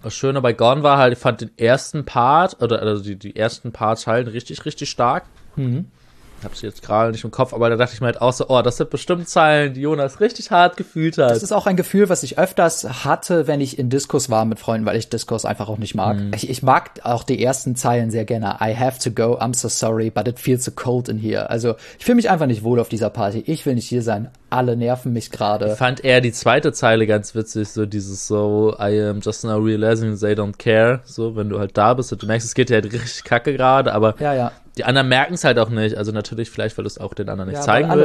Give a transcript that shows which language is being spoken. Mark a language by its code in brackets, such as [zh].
[de] Das Schöne bei Gone war halt, ich fand den ersten Part, oder also die ersten Parts halt richtig, richtig stark. Ich hab's jetzt gerade nicht im Kopf, aber da dachte ich mir halt auch so, oh, das sind bestimmt Zeilen, die Jonas richtig hart gefühlt hat. Das ist auch ein Gefühl, was ich öfters hatte, wenn ich in Discos war mit Freunden, weil ich Discos einfach auch nicht mag. Ich mag auch die ersten Zeilen sehr gerne. [en] I have to go, I'm so sorry, but it feels so cold in here. [de] Also, ich fühle mich einfach nicht wohl auf dieser Party. Ich will nicht hier sein. Alle nerven mich gerade. Ich fand eher die zweite Zeile ganz witzig, so dieses so, [en] I am just now realizing they don't care. [de] So, wenn du halt da bist und du merkst, es geht dir halt richtig kacke gerade, aber ja. Die anderen merken es halt auch nicht. Also natürlich, vielleicht, weil du es auch den anderen nicht zeigen willst.